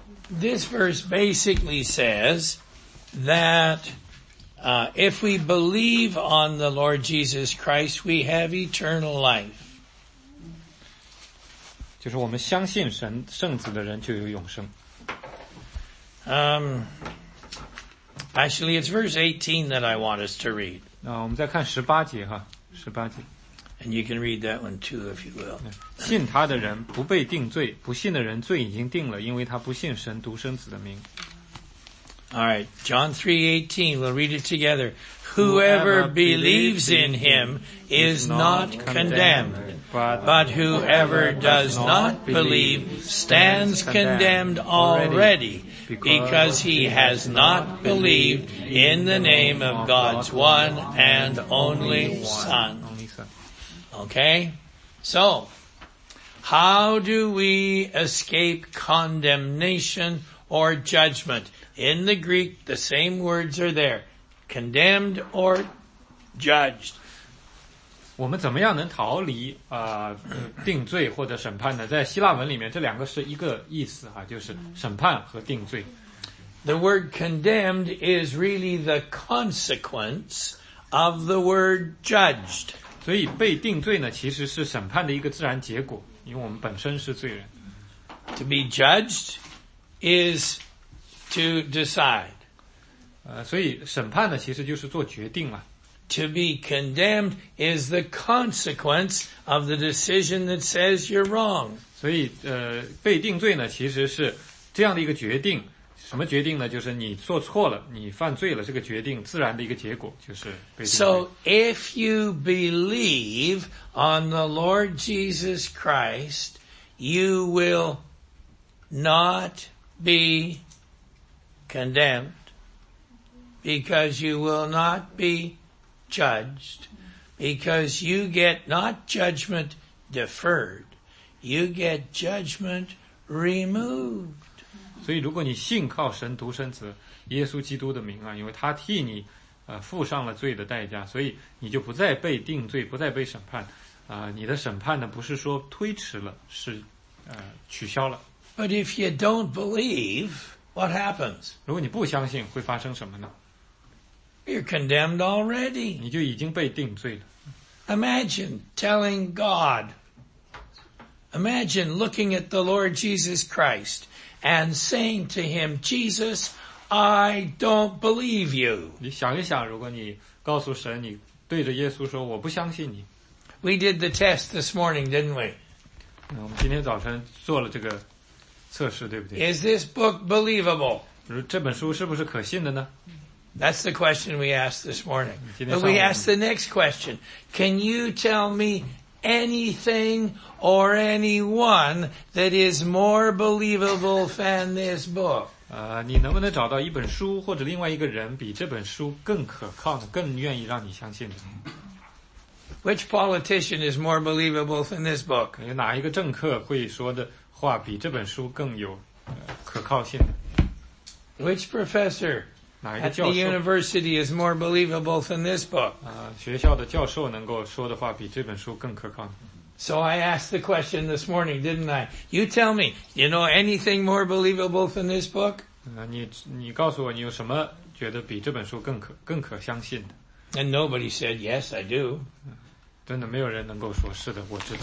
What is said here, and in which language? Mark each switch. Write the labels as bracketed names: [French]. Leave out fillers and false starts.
[English] This verse basically says that if we believe on the Lord Jesus Christ, we have eternal life. [Chinese] 就是我们相信神圣子的人就有永生。 [English] Actually, it's verse 18 that I want us to read. [Chinese] 那我们再看十八节哈，十八节。 [English] And you can read that one too, if you will. [Chinese] 信他的人不被定罪，不信的人罪已经定了，因为他不信神独生子的名。 [English] All right, John 3:18, we'll read it together. Whoever believes in him is not condemned, but whoever does not believe stands condemned already because he has not believed in the name of God's one and only Son. Okay, so how do we escape condemnation or judgment? In the Greek, the same words are there. Condemned or judged. [Chinese] 我们怎么样能逃离、定罪或者审判呢？在希腊文里面这两个是一个意思、就是审判和定罪。 [English] The word condemned is really the consequence of the word judged. [Chinese] 所以被定罪呢其实是审判的一个自然结果。因为我们本身是罪人。 [English] To be judged is to decide. [Chinese] 所以审判呢，其实就是做决定了。 [English] To be condemned is the consequence of the decision that says you're wrong. [Chinese] 所以被定罪呢，其实是这样的一个决定。什么决定呢？就是你做错了，你犯罪了，这个决定自然的一个结果就是被定罪。 [English] So if you believe on the Lord Jesus Christ, you will not be condemned because you will not be judged because you get not judgment deferred, you get judgment removed. [Chinese] 所以如果你信靠神独生子耶稣基督的名啊，因为他替你付上了罪的代价，所以你就不再被定罪，不再被审判你的审判呢不是说推迟了，是取消了。 [English] But if you don't believe, what happens? [Chinese] 如果你不相信会发生什么呢？ [English] You're condemned already. [Chinese] 你就已经被定罪了。 [English] Imagine looking at the Lord Jesus Christ and saying to him, Jesus, I don't believe you. [Chinese] 你想一想，如果你告诉神，你对着耶稣说，我不相信你。 [English] We did the test this morning, didn't we? [Chinese] 我们今天早晨做了这个测试，对不对？ [English] Is this book believable? [Chinese] 这本书是不是可信的呢？ [English] That's the question we asked this morning. But we asked the next question. Can you tell me anything or anyone that is more believable than this book? [Chinese] 你能不能找到一本书或者另外一个人比这本书更可靠的，更愿意让你相信的？ [English] Which politician is more believable than this book? [Chinese] 有哪一个政客会说的话比这本书更有可靠性的？ [English] Which professor at the university is more believable than this book? [Chinese] 学校的教授能够说的话比这本书更可靠。 [English] So I asked the question this morning, didn't I? You tell me, you know anything more believable than this book? [Chinese] 你告诉我你有什么觉得比这本书更可相信的。 [English] And nobody said, yes, I do. [Chinese] 真的没有人能够说是的，我知道。